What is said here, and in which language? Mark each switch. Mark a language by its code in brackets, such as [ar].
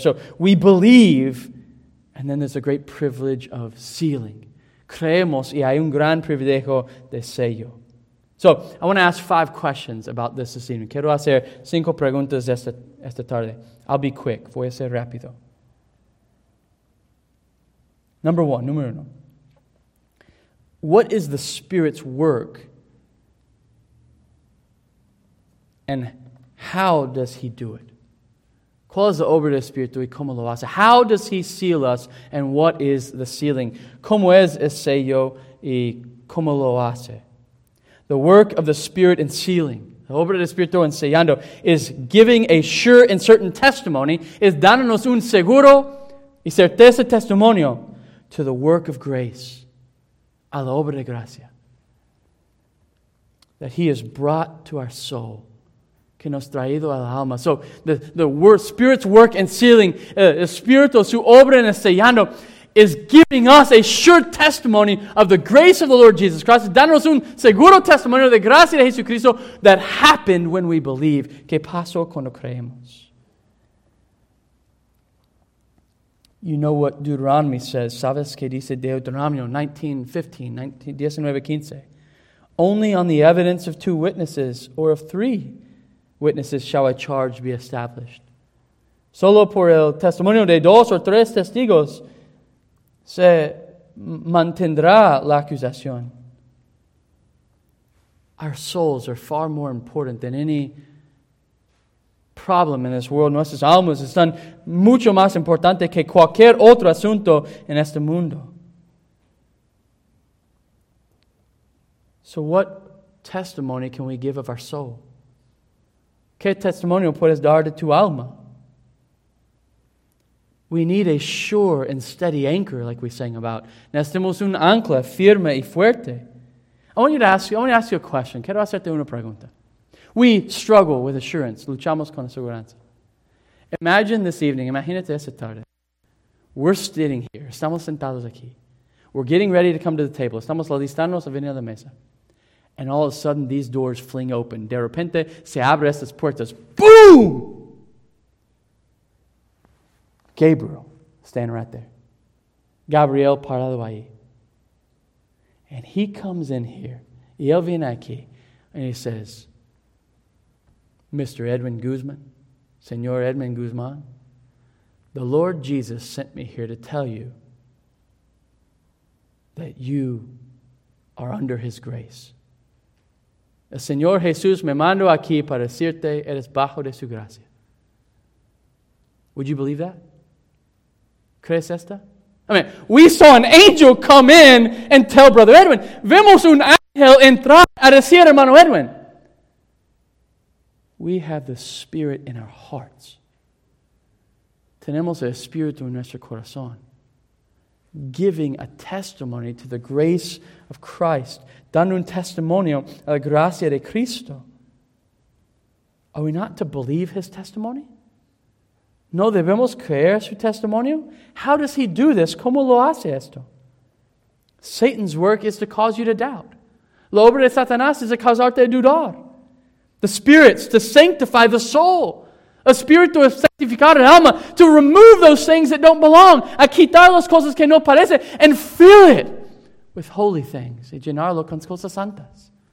[en] So we believe, and then there's a great privilege of sealing. [es] Creemos y hay un gran privilegio de sello. [en] So, I want to ask 5 questions about this evening. [es] Quiero hacer 5 preguntas esta tarde. [en] I'll be quick. [es] Voy a ser rápido. Número uno. [en] What is the Spirit's work? And how does He do it? [es] ¿Cuál es la obra del Espíritu y cómo lo hace? [en] How does He seal us and what is the sealing? [es] ¿Cómo es el sello y cómo lo hace? [en] The work of the Spirit in sealing, the [es] obra del Espíritu en sellando, [en] is giving a sure and certain testimony, is [es] dándonos un seguro y certeza testimonio [en] to the work of grace, [es] a la obra de gracia, [en] that He has brought to our soul, [es] que nos traído al alma. [en] So the Spirit's work in sealing, [es] el Espíritu, su obra en sellando, [en] is giving us a sure testimony of the grace of the Lord Jesus Christ. [es] Danos un seguro testimonio de gracia de Jesucristo [en] that happened when we believe. [es] ¿Qué pasó cuando creemos? [en] You know what Deuteronomy says. [es] ¿Sabes qué dice Deuteronomy 19:15? [en] Only on the evidence of 2 witnesses or of 3 witnesses shall a charge be established. [es] Solo por el testimonio de 2 o 3 testigos se mantendrá la acusación. [en] Our souls are far more important than any problem in this world. [es] Nuestras almas están mucho más importantes que cualquier otro asunto en este mundo. [en] So what testimony can we give of our soul? [es] ¿Qué testimonio puedes dar de tu alma? [en] We need a sure and steady anchor, like we sang about. [es] Necesitamos un ancla firme y fuerte. [en] I want to ask you a question. [es] Quiero hacerte una pregunta. [en] We struggle with assurance. [es] Luchamos con la seguridad. [en] Imagine this evening. [es] Imagínate esta tarde. [en] We're sitting here. [es] Estamos sentados aquí. [en] We're getting ready to come to the table. [es] Estamos listándonos a venir a la mesa. [en] And all of a sudden, these doors fling open. [es] De repente, se abren estas puertas. [en] Boom! Gabriel, standing right there. [es] Gabriel parado ahí. [en] And he comes in here. [es] Y él viene aquí. [en] And he says, Mr. Edwin Guzman, [es] Señor Edwin Guzman, [en] the Lord Jesus sent me here to tell you that you are under His grace. [es] El Señor Jesús me mandó aquí para decirte eres bajo de su gracia. [en] Would you believe that? [es] ¿Crees esta? [en] I mean, we saw an angel come in and tell Brother Edwin. [es] Vemos un ángel entrar a decir hermano Edwin. [en] We have the Spirit in our hearts. [es] Tenemos el Espíritu en nuestro corazón. [en] giving a testimony to the grace of Christ, [es] dando un testimonio a la gracia de Cristo. [en] Are we not to believe his testimony? [es] ¿No debemos creer su testimonio? [en] How does he do this? [es] ¿Cómo lo hace esto? [en] Satan's work is to cause you to doubt. [es] La obra de Satanás es a causarte a dudar. [en] The spirits, to sanctify the soul. [es] Espíritu es sanctificar el alma, [en] to remove those things that don't belong, [es] a quitar las cosas que no parecen, [en] and fill it with holy things, [es] y llenarlo con cosas santas.